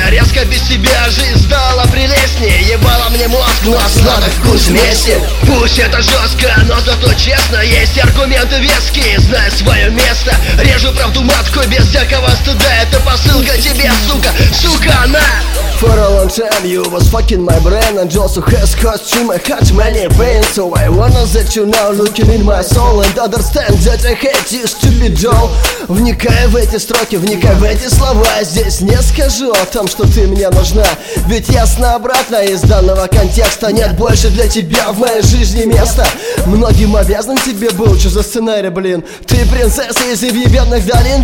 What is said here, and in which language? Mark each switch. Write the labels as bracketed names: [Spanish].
[Russian] Резко без тебя жизнь стала прелестнее. Ебало мне мозг, но сладок вкус вместе. Пусть это жестко, но зато честно. Есть аргументы веские, знаю свое место. Режу правду матку без всякого стыда. Это посылка тебе, сука, сука, на! [English] For a long time you was fucking my brain. And also has caused too much heart, many pain. So I wanna let you now, looking in my soul. And understand that I hate you, stupid doll. [Russian] Вникай в эти строки, вникай в эти слова. Здесь не скажу о том, что ты мне нужна. Ведь ясно обратно из данного контекста. Нет больше для тебя в моей жизни места. Многим обязан тебе был, что за сценарий, блин. Ты принцесса из въебенных долин.